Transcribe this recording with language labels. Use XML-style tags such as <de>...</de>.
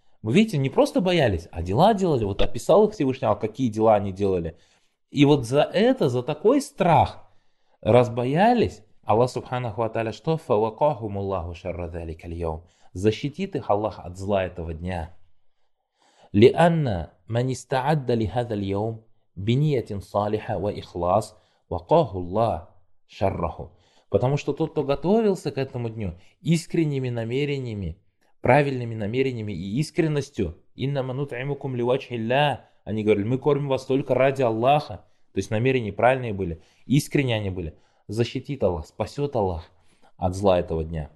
<ru>Вы видите, не просто боялись, а дела делали. Вот описал их Всевышний, а какие дела они делали. И вот за это, за такой страх, разбоялись, Аллах Субханаху ва Тааля, что?</ru> <ar>Фаваакахумуллаху шарра залика льяум.</ar> <ru>Защитит их Аллах от зла этого дня.</ru> <ar>لأن من استعد لهذا اليوم بنية صالحة وإخلاص وقاه الله شره.</ar> <ru>Потому что тот, кто готовился к этому дню искренними намерениями, правильными намерениями и искренностью,</ru> <ar>إنما نطعمكم لوجه الله,</ar> <ru>они говорили, мы кормим вас только ради Аллаха, то есть намерения правильные были, искренние они были, защитит Аллах, спасет Аллах от зла этого дня.</ru>